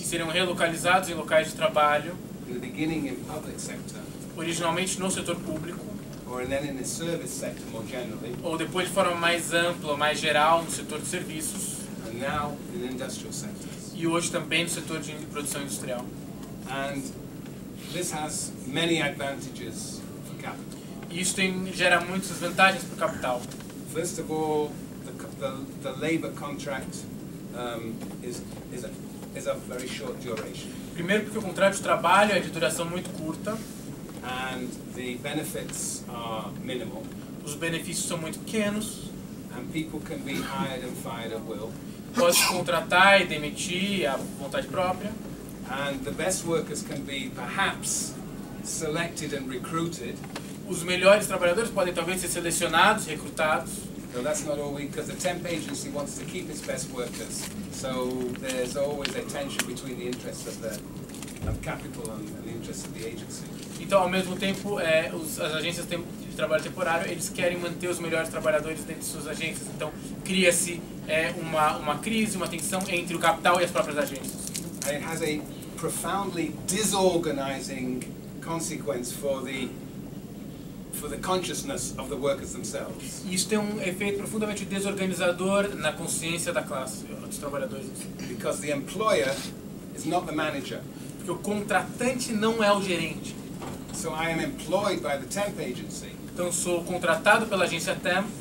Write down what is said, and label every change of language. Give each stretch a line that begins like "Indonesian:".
Portuguese: E seriam relocalizados em locais de trabalho.
English: In the beginning in public sector.
Portuguese: Originalmente no setor público.
English: Or then in the service sector more generally.
Portuguese: Ou depois de forma mais ampla, mais geral, no setor de serviços.
English: And now in industrial sectors.
Portuguese: E hoje também no setor de produção industrial.
English: And this has many advantages for capital.
Portuguese: E isso gera muitas vantagens para o capital.
English: First of all, the labor contract is a very short duration.
Portuguese: Primeiro porque o contrato de trabalho é de duração muito curta.
English: And the benefits are minimal.
Portuguese: Os benefícios são muito pequenos.
English: And people can be hired and fired at will.
Portuguese: Pode contratar e demitir à vontade própria.
English: And the best workers can be perhaps selected and recruited.
Portuguese: Os melhores trabalhadores podem talvez ser selecionados, recrutados.
English: So that's not always, because the temp agency wants to keep its best workers. So there's always a tension between the interests of the of capital and the interests of the agency.
Portuguese: Então, ao mesmo tempo, as agências de trabalho temporário, eles querem manter os melhores trabalhadores dentro de suas agências. Então, cria-se uma crise, uma tensão entre o capital e as próprias agências.
English: And it has a profoundly disorganizing consequence for the consciousness of the workers themselves.
Portuguese: Isso tem efeito profundamente desorganizador na consciência da classe, dos trabalhadores.
English: Because the employer is not the manager.
Portuguese: Porque o contratante não é o gerente.
English: So I am employed by the temp agency.
Portuguese: Então sou contratado pela agência temp.